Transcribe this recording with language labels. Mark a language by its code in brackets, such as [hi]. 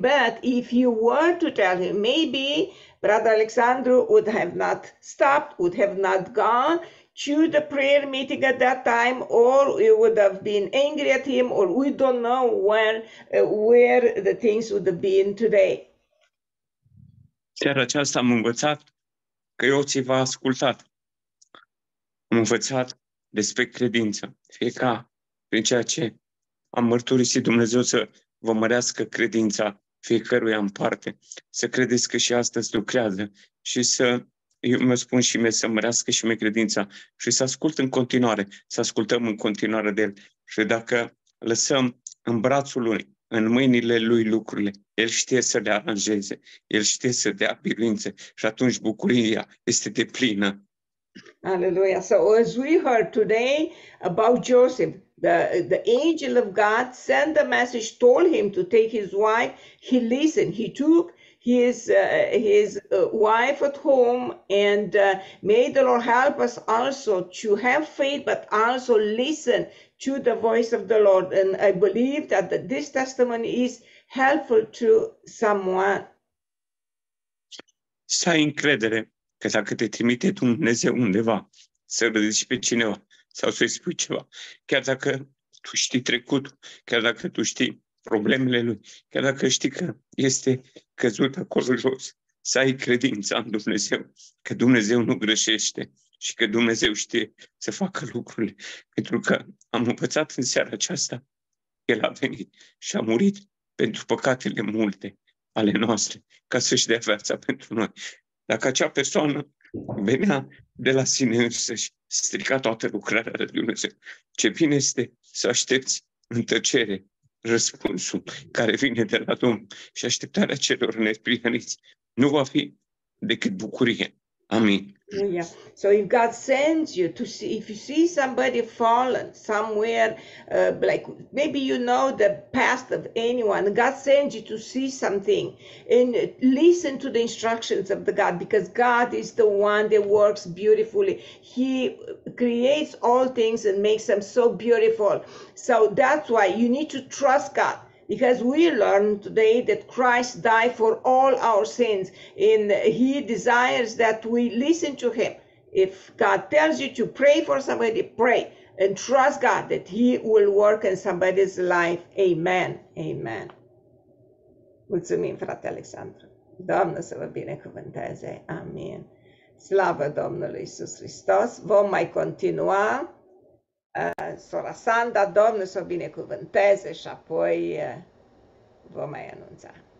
[en] But if you were to tell him, maybe Brother Alexandru would have not stopped, would have not gone to the prayer meeting at that time, or you would have been angry at him, or we don't know where the things would have been today. [ro] Chiar aceasta am învățat că Iosif v-a ascultat. Am învățat despre credință, fie ca prin ceea ce am mărturisit Dumnezeu să vă mărească credința fiecăruia în parte, să credeți că și astăzi lucrează și să, eu mă spun și mie, să mărească și mie credința și să ascult în continuare, să ascultăm în continuare de El. Și dacă lăsăm în brațul Lui, în mâinile Lui lucrurile, El știe să le aranjeze, El știe să dea biruințe și atunci bucuria este deplină. [en] Hallelujah. So as we heard today about Joseph, the angel of God sent a message, told him to take his wife. He listened. He took his wife at home, and may the Lord help us also to have faith, but also listen to the voice of the Lord. And I believe that this testimony is helpful to someone. [ro] Să ai încredere că dacă te trimite Dumnezeu undeva, să rădici pe cineva sau să-i spui ceva, chiar dacă tu știi trecutul, chiar dacă tu știi problemele lui, chiar dacă știi că este căzut acolo jos, să ai credința în Dumnezeu, că Dumnezeu nu greșește și că Dumnezeu știe să facă lucrurile. Pentru că am învățat în seara aceasta, El a venit și a murit pentru păcatele multe ale noastre, ca să-și dea viața pentru noi. Dacă acea persoană venea de la sine însăși, strica toată lucrarea de Dumnezeu, ce bine este să aștepți în tăcere răspunsul care vine de la Domn și așteptarea celor neprihăniți nu va fi decât bucurie. Amin. [en] Yeah. So if God sends you to see, if you see somebody fallen somewhere, like maybe you know the past of anyone, God sends you to see something and listen to the instructions of the God, because God is the one that works beautifully. He creates all things and makes them so beautiful. So that's why you need to trust God. Because we learned today that Christ died for all our sins, and He desires that we listen to Him. If God tells you to pray for somebody, pray and trust God that He will work in somebody's life. [ro] Amen. Amen. Mulțumim, frate Alexandru. Doamne să vă binecuvânteze. Amen. Slavă Domnului Iisus Hristos. Vom mai continua. Sora Sanda, Domnul să o binecuvânteze și apoi vă mai anunța.